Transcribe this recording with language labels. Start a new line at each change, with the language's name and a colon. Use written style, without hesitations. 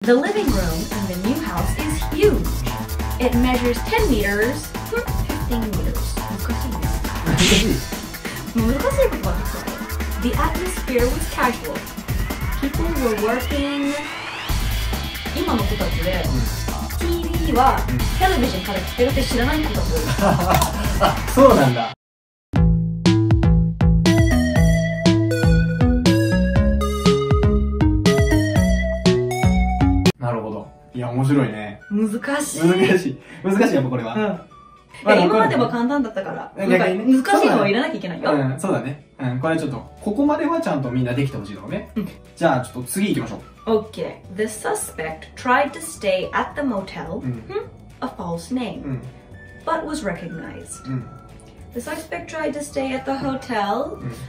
English: The living room in the new house is huge. It measures 10 meters. 15 meters.
Japanese: 難しいことはできない。
English: The atmosphere was casual. People were working.
Japanese: 今の子たちで TV はテレビジョンから来てるって知らない子たち。あ、そうなんだ。面白いね。難しい。難しい。難しいやっぱこれは。うん。今までは簡単だったから。難しいのはいらなきゃいけないよ。うん、そうだね。うん、これちょっと、ここまではちゃんとみんなできてほしいのね。うん。じゃあ、ちょっと次行きましょう。
English: Okay. The suspect tried to stay at the motel. A false name. But was recognized. The suspect tried to stay at the hotel.